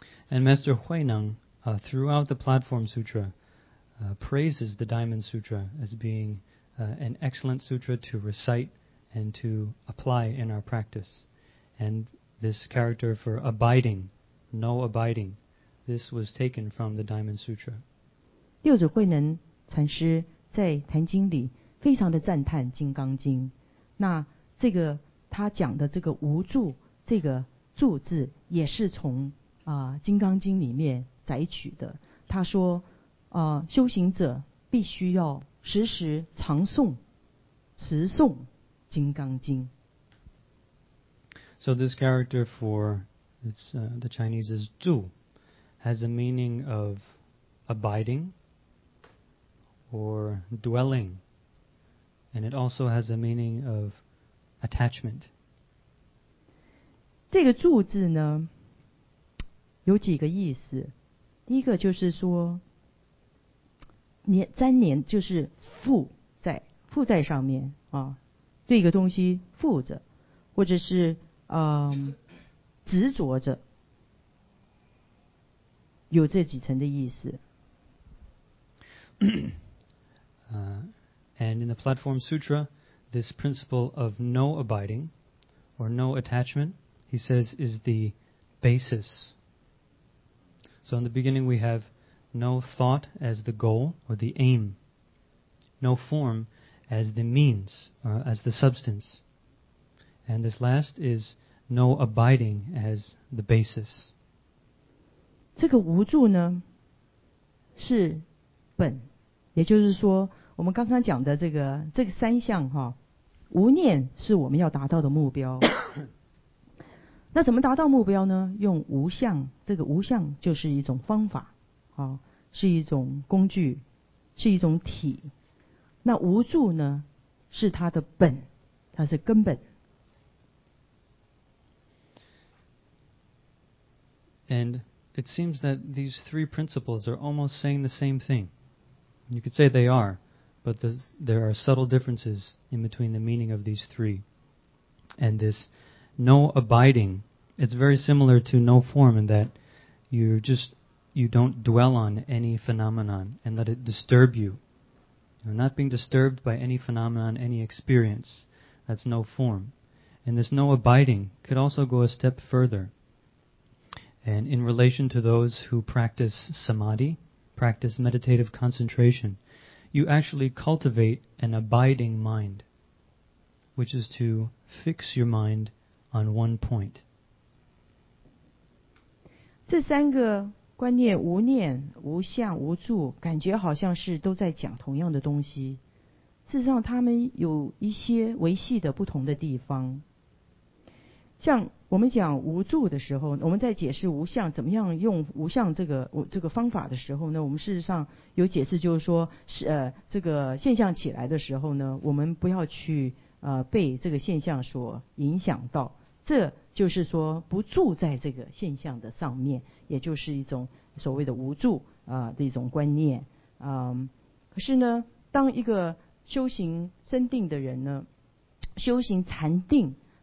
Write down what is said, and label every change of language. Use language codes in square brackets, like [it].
[en] And Master Huineng, throughout the Platform Sutra. Praises the Diamond Sutra as being an excellent sutra to recite and to apply in our practice. And this character for abiding, no abiding, this was taken from the Diamond Sutra. [zh] 六祖慧能禅师在《坛经》里非常的赞叹《金刚经》，那这个他讲的这个无住这个住字也是从《金刚经》里面摘取的。他说修行者必须要时时常诵持诵《金刚经》。 [en] So this character for it's, the Chinese is 住 has a meaning of abiding or dwelling, and it also has a meaning of attachment. [zh] 这个住字呢有几个意思，第一个就是说粘粘黏，就是附在上面啊，对一个东西附着，或者是执着着，有这几层的意思。 [en] And in the Platform Sutra, this principle of no abiding or no attachment, he says, is the basis. So in the beginning, we have no thought as the goal or the aim, no form as the means, as the substance. And this last is no abiding as the basis. [zh] 这个无住呢，是本，也就是说我们刚刚讲的这个三项哈，无念是我们要达到的目标。那怎么达到目标呢？用无相，这个无相就是一种方法，啊，是一种工具，是一种体。那无住呢，是它的本，它是根本。 [en] And it seems that these three principles are almost saying the same thing. You could say they are. But there are subtle differences in between the meaning of these three. And this no abiding, it's very similar to no form in that you don't dwell on any phenomenon and let it disturb you. You're not being disturbed by any phenomenon, any experience. That's no form. And this no abiding could also go a step further. And in relation to those who practice samadhi, practice meditative concentration,You actually cultivate an abiding mind, which is to fix your mind on one point. [zh] 这三个观念，无念、无相、无住，感觉好像是都在讲同样的东西。事实上，他们有一些维系的不同的地方。像我们讲无住的时候，我们在解释无相怎么样用无相这个方法的时候呢，我们事实上有解释，就是说是这个现象起来的时候呢，我们不要去被这个现象所影响到，这就是说不住在这个现象的上面，也就是一种所谓的无住的一种观念可是呢，当一个修行真定的人呢，修行禅定